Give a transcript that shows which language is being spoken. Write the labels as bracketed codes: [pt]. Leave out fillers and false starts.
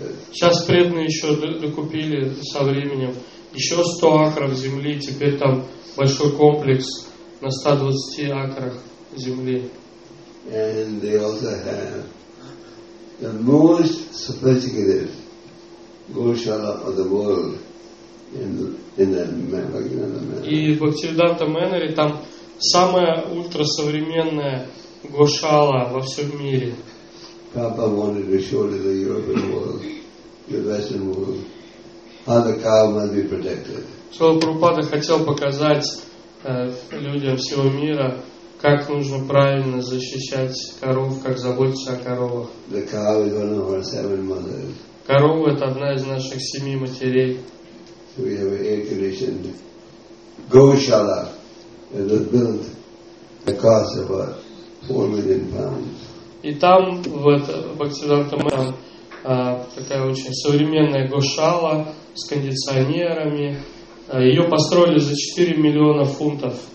[ru] Сейчас преданные еще докупили со временем еще 100 акров земли, теперь там большой комплекс на 120 акрах земли. [en] And they also have the most sophisticated Goshala of the world in that manner. [ru] И в Бхактивиданта Мэннере там самая ультрасовременная Гошала во всем мире. [en] Papa wanted to show to the European world, the Western world, how the cow must be protected. [ru] Шрила Прабхупада хотел показать людям всего мира, как нужно правильно защищать коров, как заботиться о коровах. [en] The cow is one of our seven mothers. [ru] Корова – это одна из наших семи матерей. [en] So we have an air-conditioned goshala that was built at the cost of about 4 million pounds. [ru] И там, в Бхактисиддханта Майяпуре, такая очень современная гошала с кондиционерами. Ее построили за 4 миллиона фунтов.